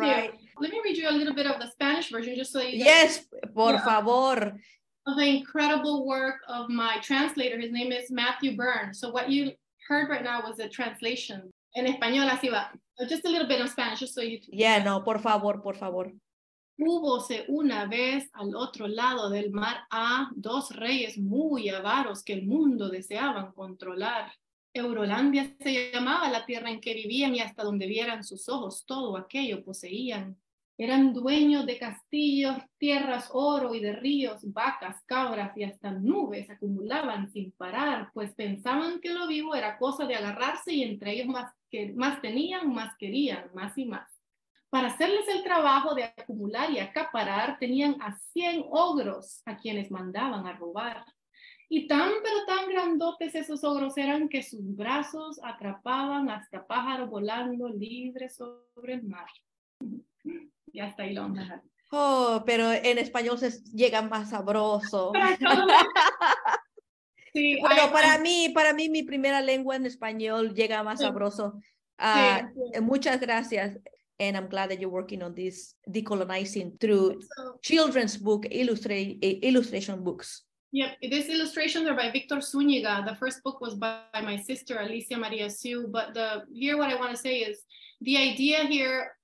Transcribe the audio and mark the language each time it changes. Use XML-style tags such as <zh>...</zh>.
<en>Let me read you a little bit of the Spanish version just so you guys.</en> <es>Yes, por favor.</es> <en>Of the incredible work of my translator. His name is Matthew Byrne. So what you heard right now was a translation.</en> <es>En español, así va.</es> <en>Just a little bit of Spanish, just so you...</en> <es>Yeah, no, por favor, por favor. Húbose una vez al otro lado del mar a dos reyes muy avaros que el mundo deseaban controlar. Eurolandia se llamaba la tierra en que vivían y hasta donde vieran sus ojos todo aquello poseían. Eran dueños de castillos, tierras, oro y de ríos, vacas, cabras y hasta nubes acumulaban sin parar, pues pensaban que lo vivo era cosa de agarrarse y entre ellos más tenían, más querían, más y más. Para hacerles el trabajo de acumular y acaparar, tenían a 100 ogros a quienes mandaban a robar. Y tan pero tan grandotes esos ogros eran que sus brazos atrapaban hasta pájaros volando libres sobre el mar. Ya está ahí lo vamos a dejar. Oh, pero en español se llega más sabroso. Sí, bueno, para mí, mi primera lengua en español llega más sabroso. Muchas gracias.</es> <en>And I'm glad that you're working on this decolonizing through children's book illustration books. Yep, these illustrations are by Victor Zúñiga. The first book was by my sister, Alicia María Siu. But the here, what I want to say is the idea here</en>